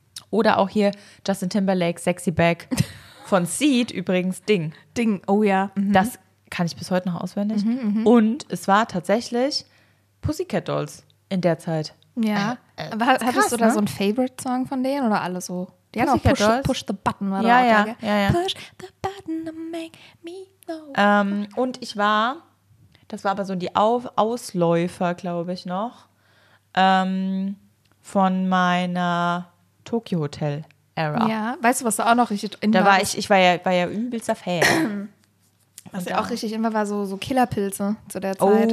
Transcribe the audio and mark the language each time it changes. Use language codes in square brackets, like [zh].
[de] Oder auch hier Justin Timberlake, Sexy Back. Von Seed übrigens Ding. Ding, oh ja. Das kann ich bis heute noch auswendig. Und es war tatsächlich Pussycat Dolls in der Zeit. Ja. Hattest du da so einen Favorite-Song von denen oder alle so? Die haben auch Push the Button. War ja, da auch, ja. [en] Push the Button to make me know. [de] Und ich war, das war aber so die Ausläufer, glaube ich noch, von meiner Tokyo Hotel Era. Ja, weißt du, was da auch noch richtig in war? Ich war ja übelster Fan. Was ja auch richtig immer war, so Killerpilze zu der Zeit.